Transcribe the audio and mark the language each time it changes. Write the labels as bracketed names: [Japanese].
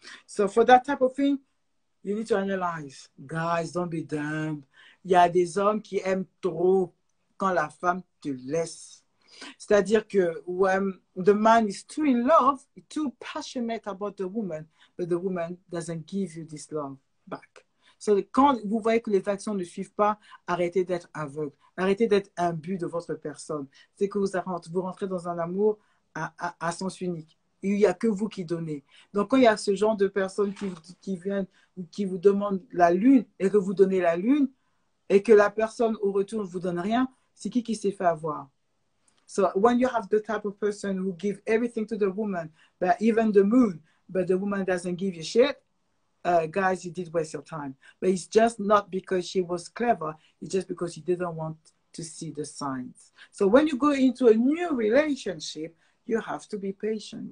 [English] So for that type of thing, you need to analyze. Guys, don't be dumb. [French] Il y a des hommes qui aiment trop quand la femme te laisse. C'est-à-dire que [English] when the man is too in love, too passionate about the woman, but the woman doesn't give you this love back. [French] So quand vous voyez que les actions ne suivent pas, arrêtez d'être aveugle. Arrêtez d'être imbu de votre personne. C'est que vous rentrez dans un amour à sens unique. Il n'y a que vous qui donnez. Donc quand il y a ce genre de personnes qui viennent ou qui vous demandent la lune et que vous donnez la lune et que la personne au retour ne vous donne rien, c'est qui s'est fait avoir? [English] So when you have the type of person who give everything to the woman, but even the moon, but the woman doesn't give you shit, guys, you did waste your time. But it's just not because she was clever. It's just because you didn't want to see the signs. So when you go into a new relationship, you have to be patient.